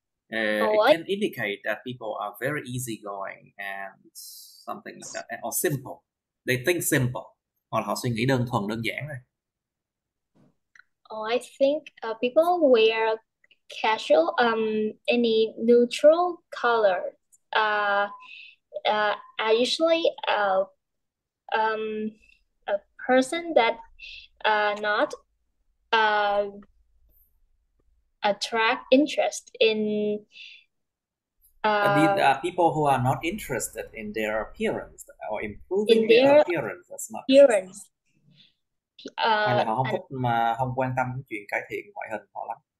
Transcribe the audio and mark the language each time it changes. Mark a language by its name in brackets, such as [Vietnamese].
[English] It can indicate that people are very easygoing and something like that, or simple. They think simple. [Vietnamese] Hoặc là họ suy nghĩ đơn thuần, đơn giản thôi. [English] Oh, I think people wear casual, any neutral color. I usually a person that not attract interest in I mean, people who are not interested in their appearance or in improving their their appearance as much. appearance. [Vietnamese] Hay là họ không thích mà không quan tâm đến chuyện cải thiện ngoại hình họ lắm.